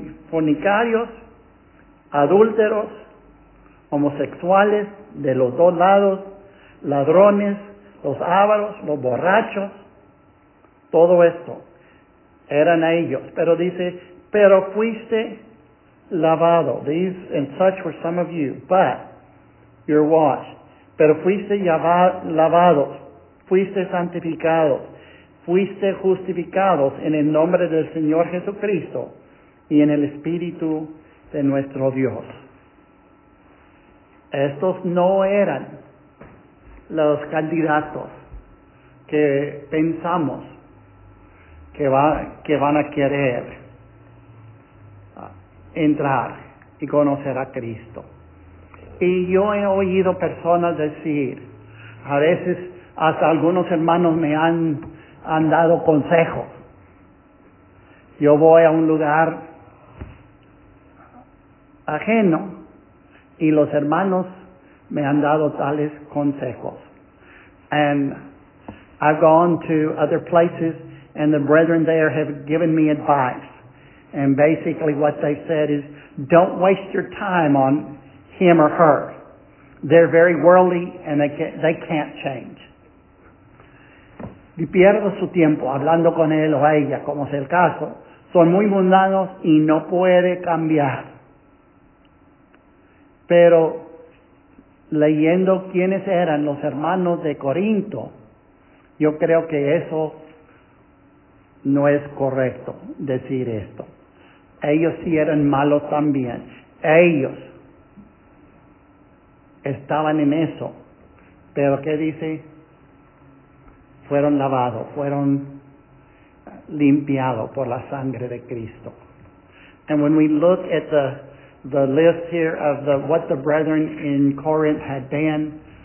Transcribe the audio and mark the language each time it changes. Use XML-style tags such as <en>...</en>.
<es>Fornicarios, adúlteros, homosexuales, de los dos lados, ladrones, los ávaros, los borrachos, todo esto eran ellos. Pero dice, pero fuiste lavado.</es> <en>These and such were some of you, but you're washed.</en> <es>Pero fuiste lavado, fuiste santificado, fuiste justificados en el nombre del Señor Jesucristo y en el Espíritu de nuestro Dios. Estos no eran los candidatos que pensamos que van a querer entrar y conocer a Cristo. Y yo he oído personas decir, a veces hasta algunos hermanos me han dado consejos. Yo voy a un lugar ajeno y los hermanos me han dado tales consejos.</es> <en>And I've gone to other places and the brethren there have given me advice. And basically what they said is, don't waste your time on him or her. They're very worldly and they can't change.</en> <es>Y pierdo su tiempo hablando con él o ella, como es el caso. Son muy mundanos y no puede cambiar. Pero leyendo quiénes eran los hermanos de Corinto, yo creo que eso no es correcto decir esto. Ellos sí eran malos también. Ellos estaban en eso. Pero ¿qué dice? Fueron lavados, fueron limpiados por la sangre de Cristo.</es> <en>And when we look at the list here of what the brethren in Corinth had been,</en>